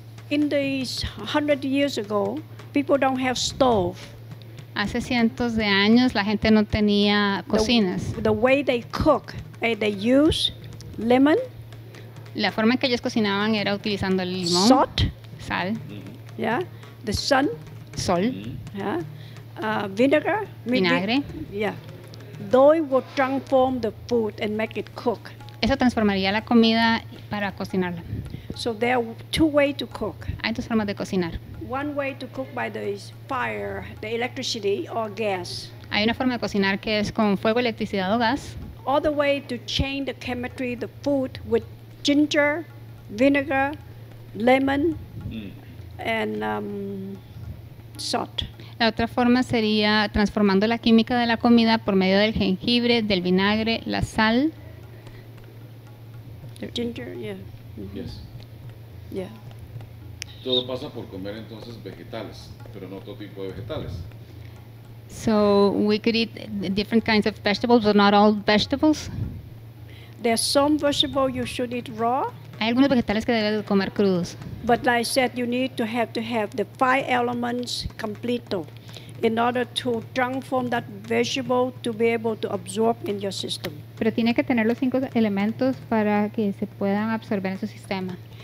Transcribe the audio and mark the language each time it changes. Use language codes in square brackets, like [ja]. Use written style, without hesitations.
[en] In these 100 years ago, people don't have stove. [es] Hace cientos de años la gente no tenía cocinas. [en] The way they cook, they use lemon. [es] La forma en que ellos cocinaban era utilizando el limón. [en] Salt. [es] Sal. [en] Yeah. The sun. [es] Sol. [en] Yeah. Vinegar. [es] Vinagre. [en] Yeah. They would transform the food and make it cook. [es] Eso transformaría la comida para cocinarla. [en] So there are two ways to cook. [es] Hay dos formas de cocinar. [en] One way to cook by the fire, the electricity or gas. [es] Hay una forma de cocinar que es con fuego, electricidad o gas. [en] Other way to change the chemistry, the food with ginger, vinegar, lemon, and salt. [es] La otra forma sería transformando la química de la comida por medio del jengibre, del vinagre, la sal. [en] Ginger, yeah. Yes. Yeah. [es] Todo pasa por comer entonces vegetales, pero no otro tipo de vegetales. [en] So we could eat different kinds of vegetables, but not all vegetables. There are some vegetables you should eat raw. [es] Hay algunos vegetales que debes comer crudos. [en] But like I said, you need to have the five elements completo in order to transform that vegetable to be able to absorb in your system. [es] Pero tiene que tener los cinco elementos para que se puedan absorber en su sistema.